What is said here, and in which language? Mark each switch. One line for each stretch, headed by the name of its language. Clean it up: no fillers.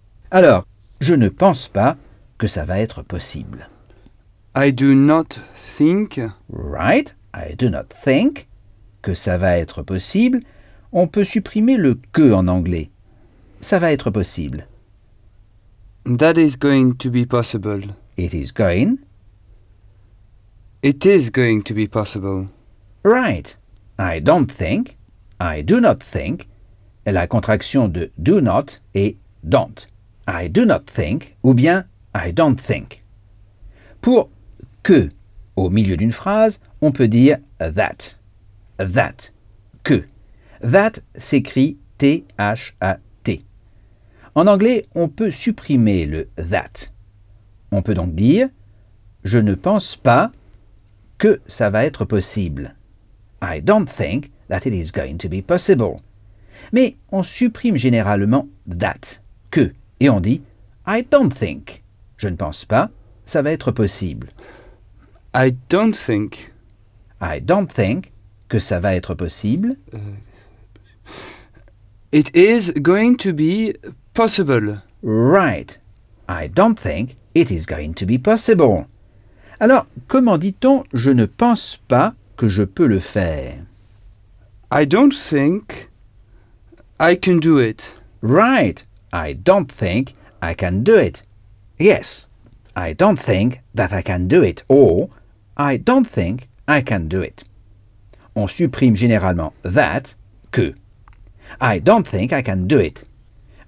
French: Alors, je ne pense pas que ça va être possible.
English: I do not think. Right, I do not think
French: que ça va être possible. On peut supprimer le que en anglais. Ça va être possible.
English: That is going to be possible. It is going. It is going to be possible. Right. I don't think. I do not think.
French: La contraction de do not et don't.
English: I do not think
French: ou bien
English: I don't think.
French: Pour que au milieu d'une phrase, on peut dire that. That. Que. That s'écrit T-H-A-T. En anglais, on peut supprimer le that. On peut donc dire je ne pense pas que ça va être possible.
English: I don't think that it is going to be possible.
French: Mais on supprime généralement that, que, et on dit
English: I don't think,
French: je ne pense pas, ça va être possible.
English: I don't think. I don't think
French: que ça va être possible.
English: It is going to be possible. Right. I don't think it is going to be possible.
French: Alors, comment dit-on « je ne pense pas que je peux le faire » ?
English: I don't think I can do it. Right. I don't think I can do it. Yes. I don't think that I can do it. Or, I don't think I can do it.
French: On supprime généralement « that » que «
English: I don't think I can do it ».